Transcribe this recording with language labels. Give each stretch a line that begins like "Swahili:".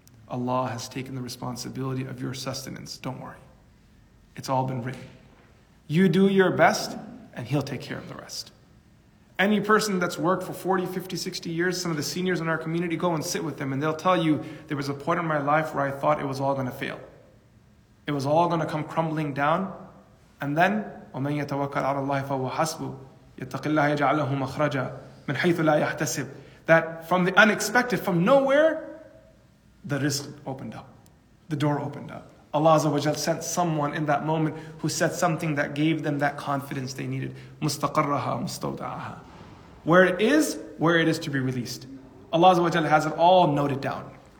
English: Allah has taken the responsibility of your sustenance. Don't worry. It's all been written. You do your best, and He'll take care of the rest. Any person that's worked for 40, 50, 60 years, some of the seniors in our community, go and sit with them, and they'll tell you, there was a point in my life where I thought it was all going to fail. It was all going to come crumbling down. And then,
Arabic: وَمَنْ يَتَوَكَّلْ عَلَى اللَّهِ فَهُوَ حَسْبُهُ يَتَّقِ اللَّهَ يَجْعَلَهُ مَخْرَجًا مِنْ حَيْثُ لَا يَحْتَسِبُ.
English: That from the unexpected, from nowhere, the rizq opened up. The door opened up. Allah Azza wa Jal sent someone in that moment who said something that gave them that confidence they needed.
Arabic: مُسْتَقَرَّهَا مُسْتَوْدَعَهَا.
English: Where it is to be released. Allah Azza wa Jal has it all noted down.